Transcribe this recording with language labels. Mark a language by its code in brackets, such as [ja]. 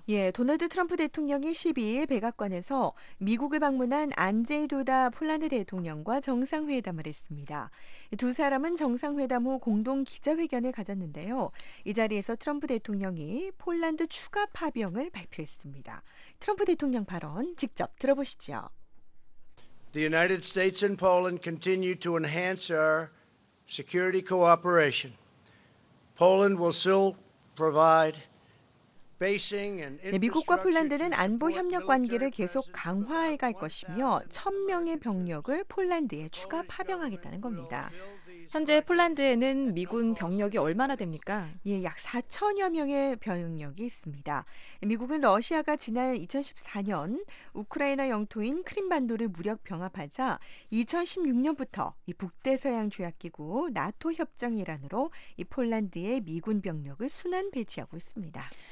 [ko] 예, 도널드 트럼프 대통령이 12일 백악관에서 미국을 방문한 안제이 두다 폴란드 대통령과 정상회담을 했습니다. 두 사람은 정상회담 후 공동 기자회견을 가졌는데요. 이 자리에서 트럼프 대통령이 폴란드 추가 파병을 발표했습니다. 트럼프 대통령 발언 직접 들어보시죠. [en] The United States and Poland continue to enhance our security cooperation. Poland will still provide [ko] 네, 미국과 폴란드는 안보 협력 관계를 계속 강화해 갈 것이며 1,000명의 병력을 폴란드에 추가 파병하겠다는 겁니다. 현재 폴란드에는 미군 병력이 얼마나 됩니까? 예, 약 4천여 명의 병력이 있습니다. 미국은 러시아가 지난 2014년 우크라이나 영토인 크림반도를 무력 병합하자 2016년부터 이 북대서양 조약기구 나토 협정 일환으로 이 폴란드에 미군 병력을 순환 배치하고 있습니다.